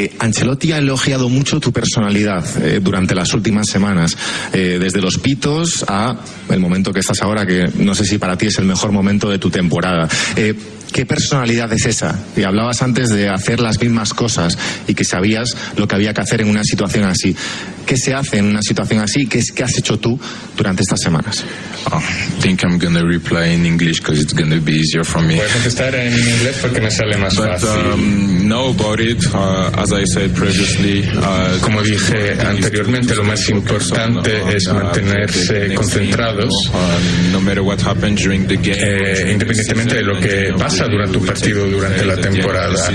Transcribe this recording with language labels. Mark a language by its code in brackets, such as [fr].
[es] Ancelotti ha elogiado mucho tu personalidad durante las últimas semanas, desde los pitos a el momento que estás ahora, que no sé si para ti es el mejor momento de tu temporada. ¿Qué personalidad es esa? Y hablabas antes de hacer las mismas cosas y que sabías lo que había que hacer en una situación así. ¿Qué se hace en una situación así? ¿Qué has hecho tú durante estas semanas? [en] Think I'm gonna reply in English because it's gonna be easier for me. [es] Voy a contestar en inglés porque me sale más [en] but, [es] fácil. [en] No about it, as I said previously. [es] Como dije anteriormente, lo más importante es mantenerse concentrados. [en] No matter what happens during the game, [es] independientemente de lo que pasa durante un partido durante la temporada.